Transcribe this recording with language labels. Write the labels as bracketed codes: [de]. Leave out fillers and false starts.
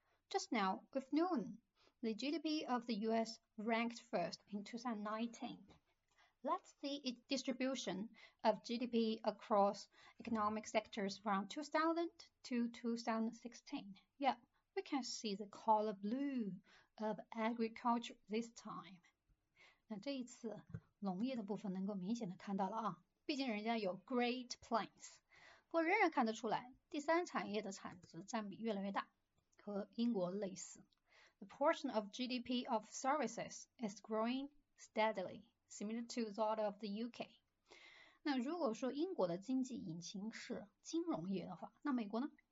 [en] Just now, we've known the GDP of the US ranked first in 2019. Let's see its distribution of GDP across economic sectors from 2000 to 2016. Yeah, we can see the color blue of agriculture this time. [zh] 那这一次农业的部分能够明显的看到了啊，毕竟人家有 Great Plains，不过仍然看得出来，第三产业的产值占比越来越大，和英国类似。 [en] The portion of GDP of services is growing steadily, similar to that of the UK。 [zh] 那如果说英国的经济引擎是金融业的话，那美国呢？